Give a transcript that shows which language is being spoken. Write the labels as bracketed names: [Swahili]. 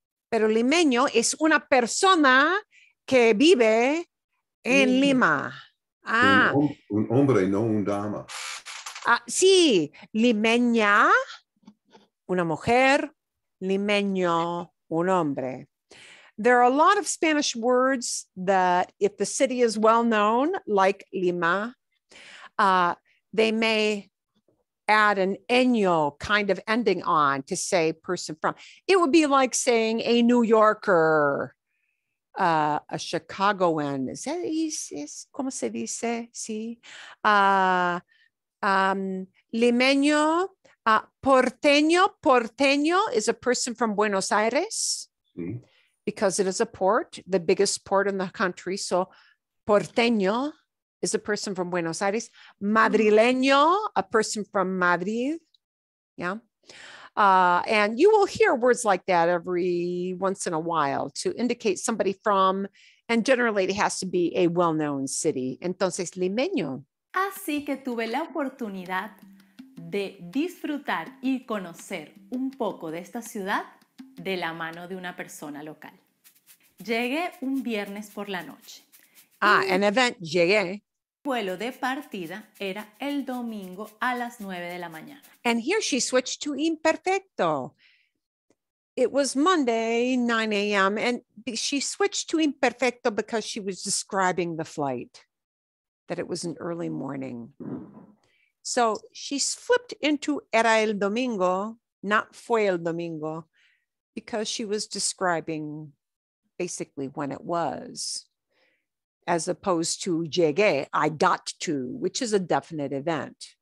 [Spanish] Pero limeño es una persona que vive en Lima. Ah. Un hombre, no un dama. Ah, sí, limeña, una mujer, limeño, un hombre. [English] There are a lot of Spanish words that if the city is well known, like Lima, they may add an ño kind of ending on to say person from. It would be like saying a New Yorker, a Chicagoan. [Spanish] Is como se dice? Sí. Limeño, porteño. [English] Porteño is a person from Buenos Aires. Mm-hmm. Because it is a port, the biggest port in the country. So porteño is a person from Buenos Aires. Madrileño, a person from Madrid. Yeah. And you will hear words like that every once in a while to indicate somebody from, and generally it has to be a well-known city. [Spanish] Entonces, limeño. Así que tuve la oportunidad de disfrutar y conocer un poco de esta ciudad de la mano de una persona local. Llegué un viernes por la noche. [English] Ah, an event, llegué. [Spanish] Vuelo de partida era el domingo a las 9 de la mañana. [English] And here she switched to imperfecto. It was Monday, 9 a.m., and she switched to imperfecto because she was describing the flight, that it was an early morning. So she flipped into [Spanish] era el domingo, [English] not [Spanish] fue el domingo, [English] because she was describing basically when it was, as opposed to llegué, I got to, which is a definite event.